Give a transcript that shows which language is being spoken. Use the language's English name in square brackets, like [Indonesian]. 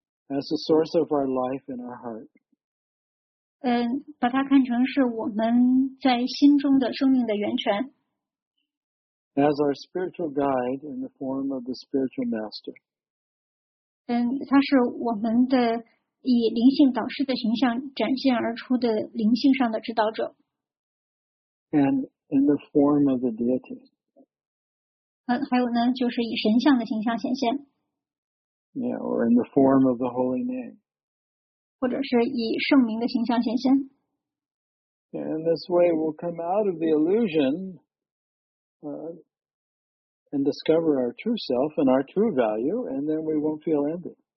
[English] As the source of our life and our heart. [Chinese] 把它看成是我们在心中的生命的源泉。 [English] As our spiritual guide in the form of the spiritual master. [Chinese] 它是我们的以灵性导师的形象展现而出的灵性上的指导者。 [English] And in the form of the deity. [Chinese] 还有呢，就是以神像的形象显现。 [English] Yeah, or in the form of the holy name. [Chinese] 或者是以圣名的形象显现。 [English] Yeah, in this way, we'll come out of the illusion and discover our true self and our true value, and then we won't feel envy.